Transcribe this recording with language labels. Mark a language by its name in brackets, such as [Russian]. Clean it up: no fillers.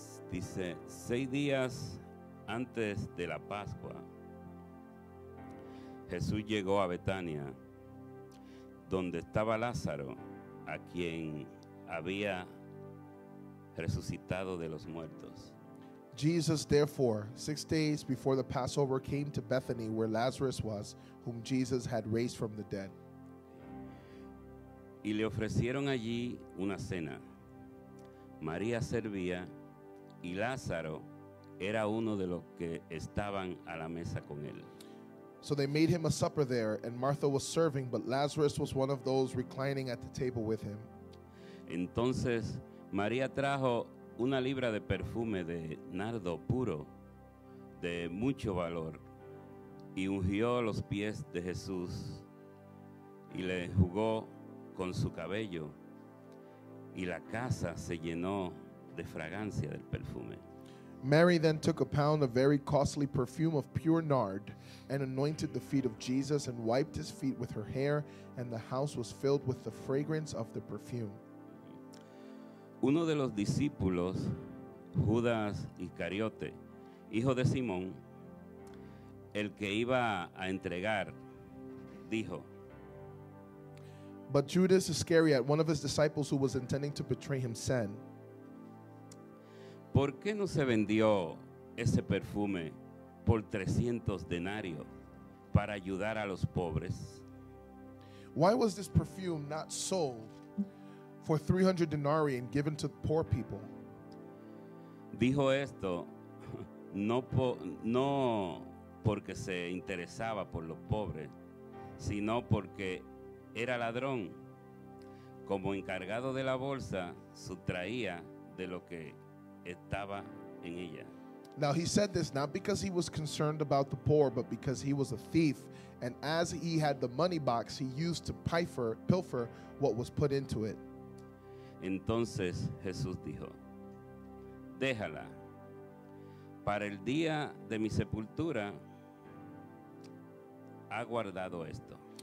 [Spanish] Dice, 6 días antes de la Pascua, Jesús llegó a Betania, donde estaba Lázaro, a quien había resucitado de los muertos. [English] Jesus, therefore, 6 days before the Passover, came to Bethany, where Lazarus was, whom Jesus had raised from the dead. [Spanish] Y le ofrecieron allí una cena. María servía, y Lázaro era uno de los que estaban a la mesa con él. [English] So they made him a supper there, and Martha was serving, but Lazarus was one of those reclining at the table with him. [Spanish] Entonces, María trajo una libra de perfume de nardo puro, de mucho valor, y ungió los pies de Jesús, y le enjugó con su cabello, y la casa se llenó de fragancia del perfume. [English] Mary then took a pound of very costly perfume of pure nard, and anointed the feet of Jesus, and wiped his feet with her hair, and the house was filled with the fragrance of the perfume. [Spanish] Uno de los discípulos, Judas Iscariote, hijo de Simón, el que iba a entregar, dijo. [English] But Judas Iscariot, one of his disciples who was intending to betray him, said, [Spanish] ¿Por qué no se vendió ese perfume por 300 denarios para ayudar a los pobres? [English] Why was this perfume not sold for 300 denarii and given to poor people? [Spanish] Dijo esto no porque se interesaba por los pobres, sino porque era ladrón. Como encargado de la bolsa, sustraía de lo que estaba en ella. [English] Now he said this not because he was concerned about the poor, but because he was a thief, and as he had the money box, he used to pilfer what was put into it. [Spanish] Entonces Jesús dijo, déjala, para el día de mi sepultura ha guardado esto.